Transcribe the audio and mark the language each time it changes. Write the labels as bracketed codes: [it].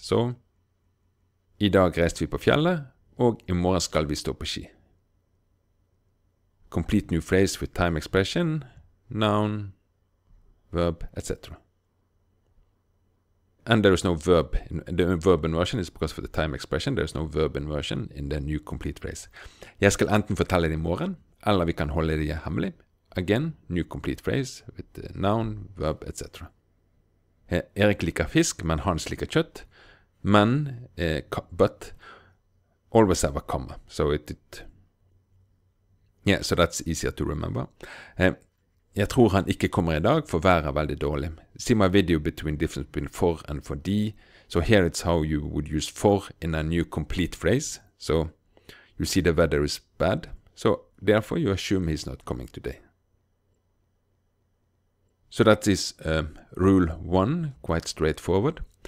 [no] So, i dag reiste vi på fjellet, og i morgen skal vi stå på ski. [en] Complete new phrase with time expression, noun, verb, etc. And there is no verb. The verb inversion is because for the time expression, there is no verb inversion in the new complete phrase. [no] Jeg skal enten fortelle det i morgen, eller vi kan holde det hemmelig. [en] Again, new complete phrase with the noun, verb, etc. [no] Erik liker fisk, men Hans liker kjøtt. Men, [en] but, always have a comma. So it yeah, so that's easier to remember. [no] Jeg tror han ikke kommer i dag, for været veldig dårlig. [en] See my video between difference between for and for de. So here it's how you would use for in a new complete phrase. So you see the weather is bad. So therefore you assume he's not coming today. So that is rule one, quite straightforward.